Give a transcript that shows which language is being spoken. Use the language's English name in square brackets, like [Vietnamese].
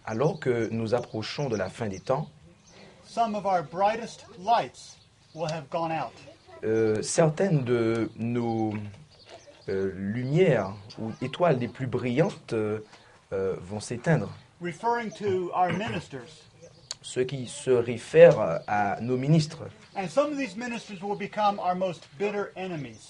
[French] alors que nous approchons de la fin des temps, [English] some of our brightest lights will have gone out. [French] Certaines de nos lumières ou étoiles les plus brillantes vont s'éteindre. [English] Referring to our ministers, [French] ce qui se réfère à nos ministres. [English] And some of these ministers will become our most bitter enemies.